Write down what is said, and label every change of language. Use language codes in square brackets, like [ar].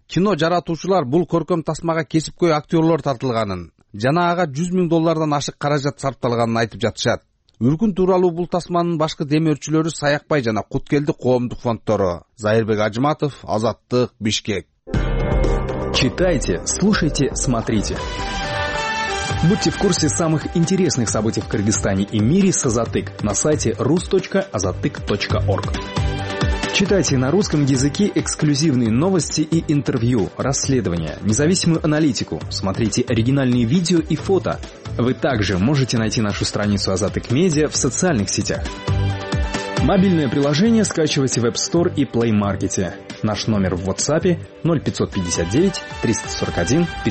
[ky] Кино жаратуучулар бул көркөм тасмага кесипкөй актерлор тартылганын жана ага 100,000 доллардан ашык каражат сарпталганын айтып жатышат. Үркүн тууралуу бул тасманын башкы демөөрчүлөрү Саякбай жана Куткелди коомдук фонддору. Зайырбек Ажыматов, Азаттык, Бишкек. [ru] Читайте, слушайте, смотрите. Будьте в курсе самых интересных событий в Кыргызстане и мире с Азаттык на сайте rus.azattyk.org. Читайте на русском языке эксклюзивные новости и интервью, расследования, независимую аналитику. Смотрите оригинальные видео и фото. Вы также можете найти нашу страницу Азаттык Медиа в социальных сетях. Мобильное приложение скачивайте в App Store и Play Market. Наш номер в WhatsApp 0559-341-555.